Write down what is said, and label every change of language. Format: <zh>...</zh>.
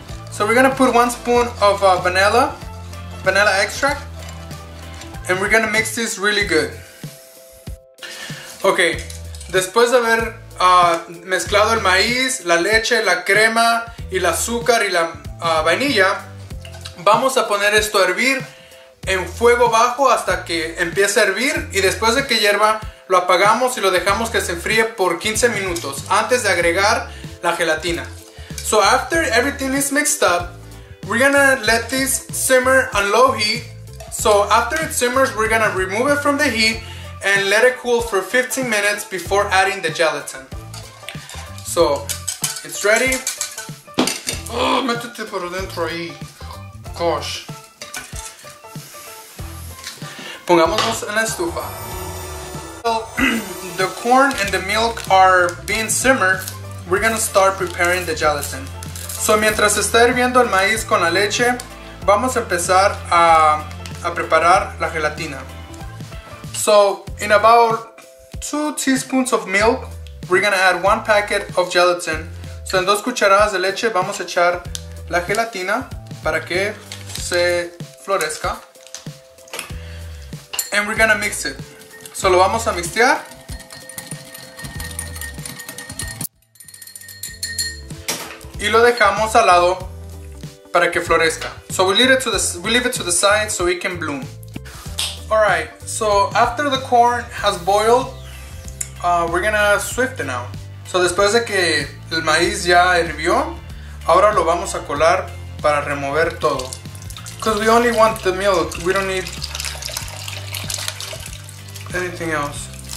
<en>So we're gonna put 1 spoon of vanilla extract, and we're gonna mix this really good.</en> <es>Okay, después de haber mezclado el maíz, la leche, la crema y el azúcar y la vainilla, vamos a poner esto a hervir en fuego bajo hasta que empiece a hervir, y después de que hierva lo apagamos y lo dejamos que se enfríe por 15 minutos antes de agregar la gelatina.</es> <en>So after everything is mixed up, we're gonna let this simmer on low heat. So after it simmers, we're gonna remove it from the heat and let it cool for 15 minutes before adding the gelatin. So it's ready.</en> <es>Oh, métete por dentro ahí. Gosh. Pongámonos en la estufa.</es> <en>Well, the corn and the milk are being simmered. We're gonna start preparing the gelatin.</en> <es>So mientras está hirviendo el maíz con la leche, vamos a empezar a preparar la gelatina.</es> <en>So in about 2 teaspoons of milk, we're gonna add 1 packet of gelatin.</en> <es>So en 2 cucharadas de leche vamos a echar la gelatina para que se florezca.</es> <en>And we're gonna mix it. So</en> <es>lo vamos a mixtear. Y lo dejamos al lado para que florezca.</es> <en>So we leave it to the side so it can bloom. Alright, so after the corn has boiled, we're gonna swift it now.</en> <es>So después de que el maíz ya hirvió, ahora lo vamos a colar para remover todo.</es> <en>Because we only want the milk, we don't need anything else.</en>